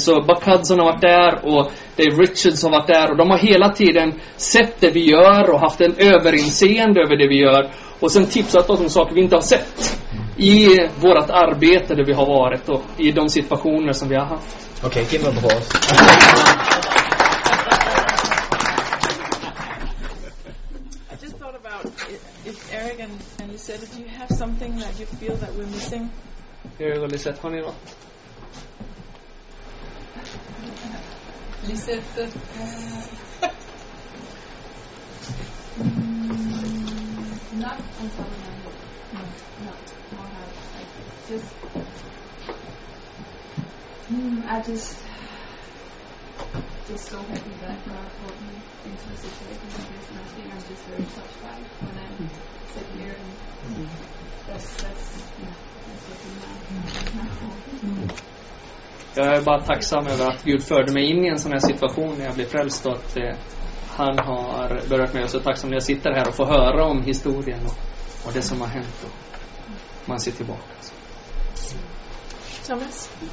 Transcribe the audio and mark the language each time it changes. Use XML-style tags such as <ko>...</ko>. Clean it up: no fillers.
<sv>Så Buck Hudson har varit där och Dave Richards har varit där, och de har hela tiden sett det vi gör och haft en överinseende över det vi gör, och sen tipsat oss om saker vi inte har sett i vårt arbete där vi har varit och i de situationer som vi har haft.</sv> <en>Okej, okay, give them a pause. I just thought about if Eric and you said, do you have something that you feel that we're missing?</en> <sv>Eric och Lisette, har ni något? Lisette.</sv> <en>Not on something. I just so happy that God brought me into a situation like this, and I think I'm just very touched by it when I sit here, and that's what I'm</en> <sv>Jag är bara tacksam över att Gud förde mig in i en sån här situation när jag blev frälst, och att han har berört mig. Och så tacksam när jag sitter här och får höra om historien och det som har hänt, och man ser tillbaka. Thomas?</sv>